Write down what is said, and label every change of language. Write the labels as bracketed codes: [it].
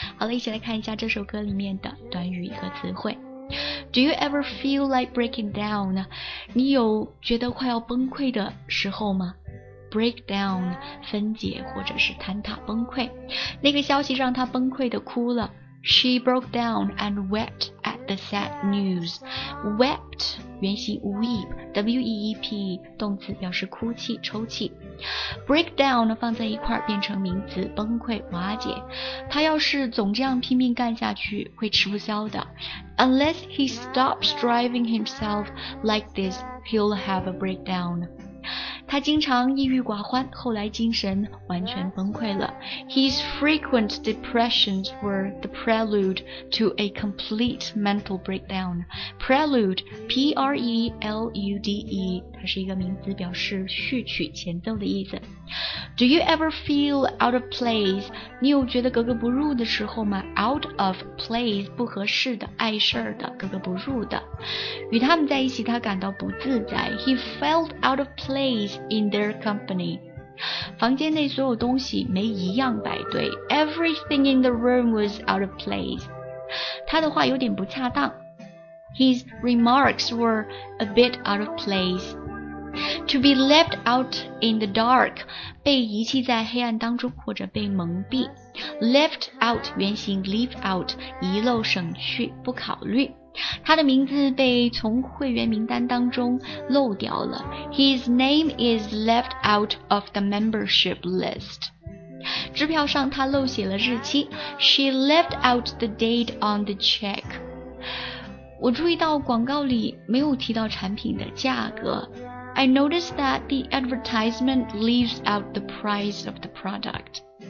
[zh] 好了，一起来看一下这首歌里面的短语和词汇。 [en] Do you ever feel like breaking down? [zh] 你有觉得快要崩溃的时候吗？ break down, 分解或者是坍塌崩溃。那个消息让她崩溃的哭了。 [en] She broke down and wept at the sad news. [zh] Wept, 原型 weep, W-E-E-P, 动词表示哭泣、抽泣。 Break down 放在一块变成名词，崩溃、瓦解。他要是总这样拼命干下去，会吃不消的。 [en] Unless he stops driving himself like this, he'll have a breakdown. [zh] 他经常抑郁寡欢，后来精神完全崩溃了。 [en] His frequent depressions were the prelude to a complete mental breakdown. [zh] Prelude, P-R-E-L-U-D-E, 它是一个名词，表示序曲、前奏的意思。 [en] Do you ever feel out of place? [zh] 你有觉得格格不入的时候吗？Out of place, 不合适的、碍事的、格格不入的。与他们在一起，他感到不自在。 [en] He felt out of place. In their company. [zh] 房间内所有东西没一样摆对。 [en] Everything in the room was out of place. [zh] 他的话有点不恰当。 [en] His remarks were a bit out of place. To be left out in the dark, [zh] 被遗弃在黑暗当中或者被蒙蔽。 Left out, 原型 leave out, 遗漏省去不考虑。他的名字被从会员名单当中漏掉了。 [en] His name is left out of the membership list. [zh] 支票上他漏写了日期。 [en] She left out the date on the check. [zh] 我注意到广告里没有提到产品的价格。 [en] I noticed that the advertisement leaves out the price of the product.